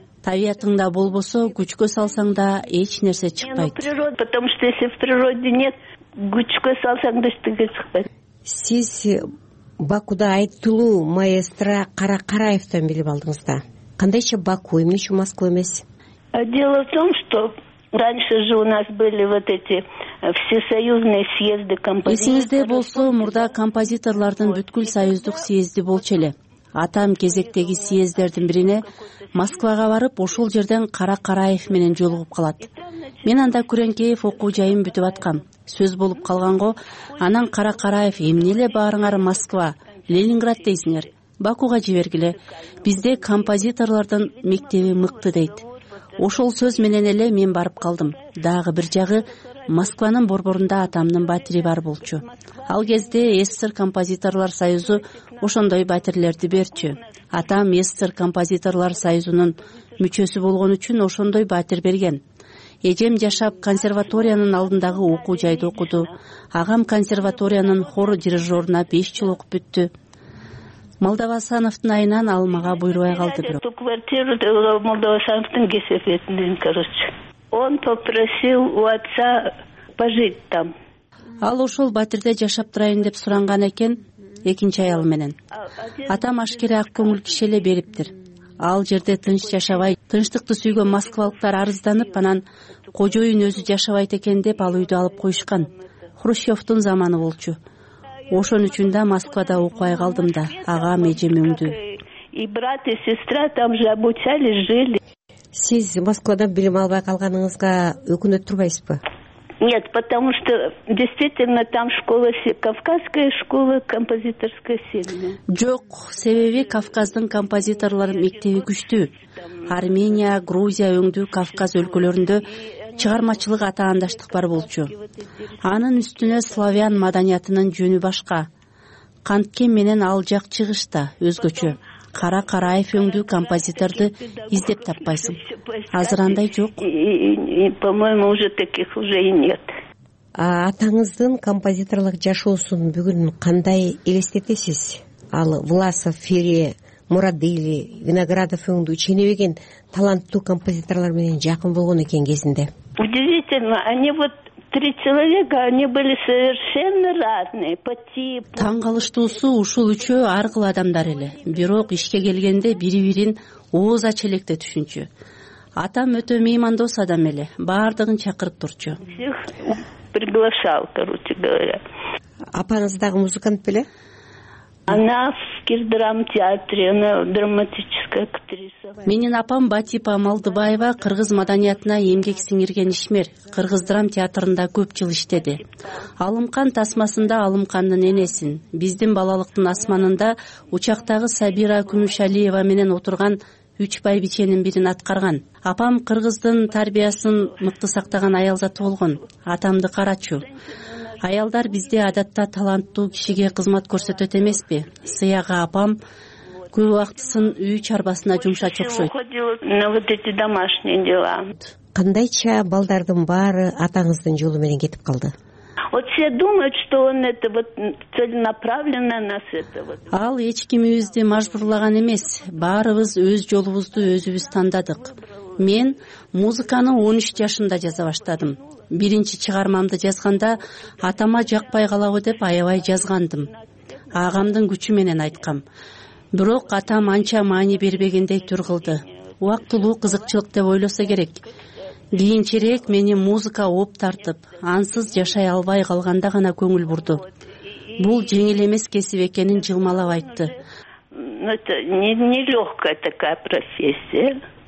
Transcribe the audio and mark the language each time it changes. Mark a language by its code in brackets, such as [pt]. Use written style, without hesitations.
[ky] Табиятыңда болбосо, күчкө салсаң да эч нерсе чыкпайт. [ru] Потому что если в природе нет, [ky] күчкө салсаң да эчтеге чыкпайт. Сиз Бакуда айтылуу маэстро Каракараевден билип алдыңыз да. Кандайча Баку, эмне үчүн Москва эмес? [ru] Дело в том, что раньше же у нас были вот эти всесоюзные съезды композиторов. [ky] Эсиңизде болсо, мурда композиторлардын бүткүл союздук съезди болчу эле. Атам кезектеги съезддердин бирине Москвага барып, ошол жерден Каракараев менен жолугуп калат. Мен анда Күрөнкеев окуу жайын бүтүп аткам. Сөз болуп калганго, анан Каракараев эмне эле баарыңар Москва, Ленинград дейсиңер. Бакуга жибергиле. Бизде композиторлордун мектеби мыкты дейт. Ошол сөз менен эле мен барып калдым. Дагы бир жагы Москванын борборунда атамдын батири бар болчу. Ал кезде СССР композиторлор союзу ошондой батирлерди берчү. Атам СССР композиторлор союзунун мүчөсү болгон үчүн ошондой батир берген. Эжем жашап консерваториянын алдындагы окуу жайды окуду. Агам консерваториянын хор дирижёруна 5 жыл окуп бүттү. Молдовасановтун айынан алмага буйрубай калды бирок. [ru] Эту квартиру [ky] Молдовасановтун кесепетинен, [ru] короче. Он попросил у отца пожить там. [ky] Ал ошол батирде жашап турайын деп суранган экен экинчи аялы менен. Атам ашкере ак көңүл киши эле бериптир. Ал жерде тынч жашабай, тынчтыкты сүйгөн москвалыктар арызданып, анан кожоюн өзү жашабайт экен деп ал үйдү алып коюшкан. Хрущевтун заманы болчу. Ошон үчүн да Москвада окубай калдым да. Ага эжем өңдү. [ru] И брат, и сестра там же обучались, жили. [ky] Сиз Москвадан билим албай калганыңызга өкүнөт турбайсызбы? [ru] Нет, потому что действительно там школа кавказская школа композиторская сильная. [ky] Жок, себеби Кавказдын композиторлор мектеби күчтүү. Армения, Грузия, өңдүү Кавказ өлкөлөрүндө чыгармачылык атаандаштык бар болчу. Анын үстүнө славян маданиятынын жөнү башка. Канткен менен ал жак чыгыш да өзгөчө. Кара Караев өңдүү композиторду издеп таппайсың. Азыр андай жок. [ru] По-моему, уже таких уже и нет. [ky] Атаңыздын композиторлук жашоосун бүгүн кандай элестетесиз? Ал Власов, Фери, Мурадыли, Виноградов өңдүү ченебеген таланттуу композиторлор менен жакын болгон экен кезинде. [ru] Удивительно, они вот три человека, они были совершенно разные по типу. [ky] Таң калыштуусу ушул үчөө ар кыл адамдар эле. Бирок ишке келгенде бири-бирин ооз ача электе түшүнчү. Атам өтө меймандос адам эле, баардыгын чакырып турчу. [ru] Всех приглашал, короче говоря. [ky] Апаңыз дагы музыкант беле? [ru] Она в Кирдрамтеатре, она драматическая актриса. [ky] Менин апам Батипа Малдыбаева кыргыз маданиятына эмгек сиңирген ишмер. Кыргыз драм театрында көп жыл иштеди. Алымкан тасмасында Алымкандын энесин, биздин балалыктын асманында учактагы Сабира Күмүшалиева менен отурган үч байбиченин бирин аткарган. Апам кыргыздын тарбиясын мыкты сактаган аялзаты болгон. Атамды карачу. Аялдар бизде адатта таланттуу кишиге кызмат көрсөтөт эмеспи? Сыяга апам көп убактысын үй чарбасына жумшач окшойт. [ru] На вот эти домашние дела. [ky] Кандайча балдардын баары атаңыздын жолу менен кетип калды? [ru] Вот все думают, что он это вот целенаправленно нас это вот. [ky] Ал эч ким үйүздү мажбурлаган эмес. Баарыбыз өз жолубузду өзүбүз тандадык. Мен музыканы 13 жашымда жаза баштадым. Биринчи чыгармамды жазганда атама жакпай калабы деп аябай жазгандым. Агамдын күчү менен айткам. Бирок атам анча маани бербегендей түр кылды. Убактылуу кызыкчылык деп ойлосо керек. Кийинчерээк мени музыка ооп тартып, ансыз жашай албай калганда гана көңүл бурду. Бул жеңил эмес кесип экенин жылмалап айтты. [ru] Ну это не легкая такая профессия.